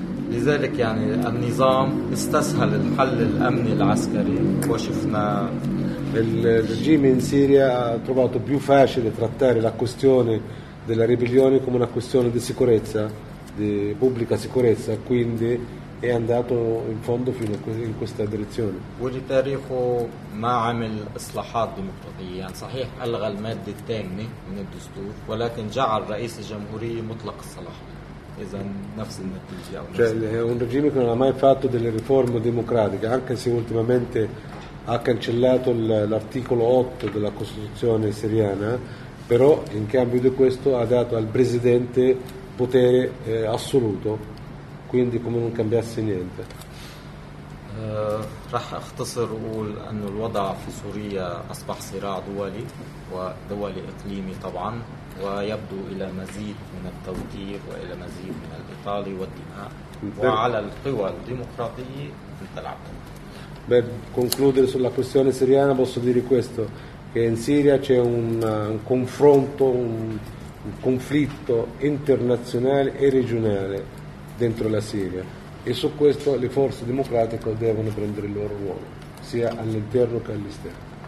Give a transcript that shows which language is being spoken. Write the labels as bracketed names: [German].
[Arabic] لذلك يعني النظام استسهل الحل الأمني العسكري وشفنا [Italian] il regime in Siria ha trovato più facile trattare la questione della ribellione come una questione di sicurezza, di pubblica sicurezza, quindi è andato in fondo fino in questa direzione. [Arabic] والتاريخ ما عمل إصلاحات ديمقراطية, يعني صحيح ألغى المادة الثانية من الدستور ولكن جعل رئيس الجمهورية مطلق الصلاحية. [Italian] Cioè, è un regime che non ha mai fatto delle riforme democratiche, anche se ultimamente ha cancellato l'articolo 8 della Costituzione siriana, però in cambio di questo ha dato al presidente potere assoluto, quindi come non cambiasse niente. [Arabic] راح اختصر وقول انه الوضع في سوريا اصبح صراع دولي ودولي اقليمي طبعا, ويبدو الى مزيد من التوتير والى مزيد من الاطالة والدماء, وعلى القوى الديمقراطية ان تلعب. [Italian] Per concludere sulla questione siriana posso dire questo, che in Siria c'è un confronto, un conflitto internazionale e regionale dentro la Siria. E su questo le forze democratiche devono prendere il loro ruolo, sia all'interno che all'esterno.